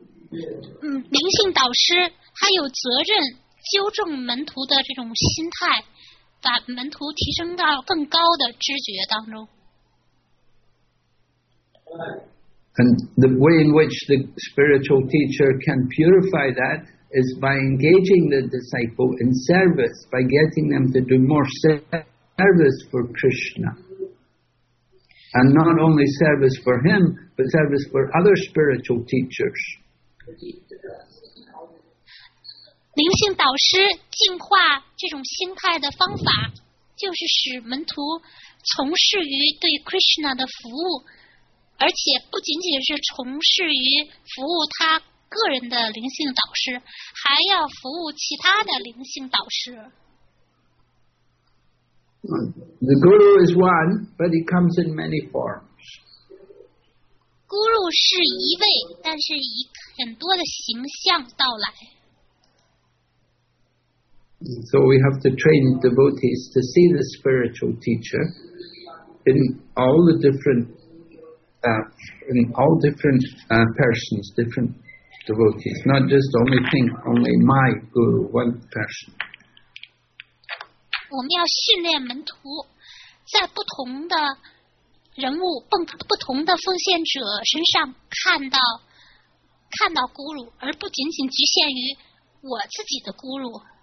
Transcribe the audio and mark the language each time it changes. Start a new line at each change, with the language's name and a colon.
Chinese: 灵性导师他有责任纠正门徒的这种心态，把门徒提升到更高的知觉当中。
English: And the way in which the spiritual teacher can purify that is by engaging the disciple in service, by getting them to do more service for Krishna. And not only service for him, but service for other spiritual teachers.
Chinese: 灵性导师净化这种心态的方法就是使门徒从事于对 Krishna 的服务，而且不仅仅是从事于服务他个人的灵性导师，还要服务其他的灵性导师。
English: The guru is one, but he comes in many forms.
Chinese: Guru 是一位，但是以很多的形象到来。
English: So we have to train devotees to see the spiritual teacher in all the different persons, different devotees, not just only think only my guru, one person.
Chinese: 我们要训练门徒，在不同的人物、不同的奉献者身上看到孤儒，而不仅仅局限于我自己的孤儒。